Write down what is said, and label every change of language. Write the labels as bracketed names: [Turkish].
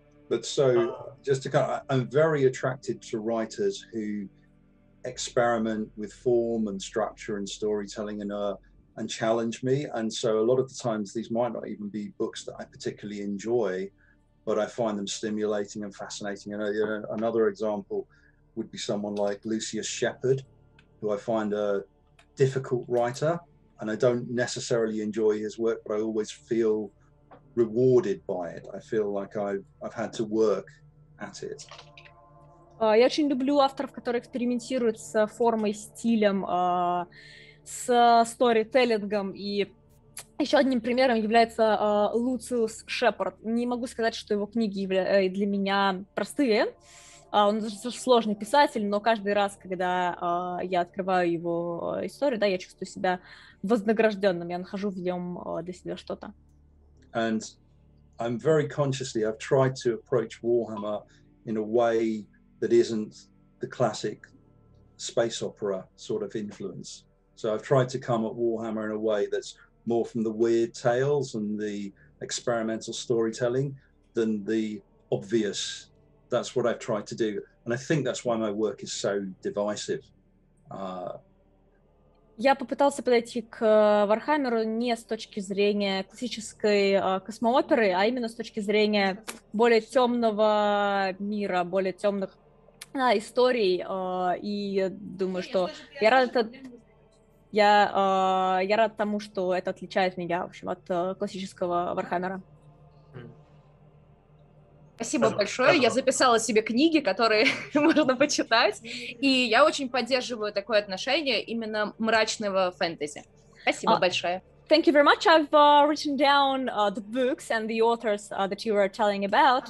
[English] But so, just to kind of, I'm very attracted to writers who experiment with form and structure and storytelling and challenge me, and so a lot of the times these might not even be books that I particularly enjoy, but I find them stimulating and fascinating. And another example would be someone like Lucius Shepard, who I find a difficult writer, and I don't necessarily enjoy his work, but I always feel rewarded by it. I feel like I've had to work at it. [Russian] Я очень люблю авторов, которые экспериментируют с формой, стилем, с сторителлингом, и еще одним примером является Луциус Шепард. Не могу сказать, что его книги для меня простые, он сложный писатель, но каждый раз, когда я открываю его историю, да, я чувствую себя вознагражденным, я нахожу в нем для себя что-то. [English] And I'm very consciously, I've tried to approach Warhammer in a way that isn't the classic space opera sort of influence. So I've tried to come at Warhammer in a way that's more from the weird tales and the experimental storytelling than the obvious. That's what I've tried to do. And I think that's why my work is so divisive. [Russian] Я попытался подойти к Вархаммеру не с точки зрения классической космооперы, а именно с точки зрения более темного мира, более темных историй. И думаю, что я рада... Я рад тому, что это отличает меня, в общем, от классического Вархаммера. Спасибо большое. Я записала себе книги, которые можно почитать. И я очень поддерживаю такое отношение именно мрачного фэнтези. Спасибо большое. [English] Thank you very much. I've written down the books and the authors that you were telling about.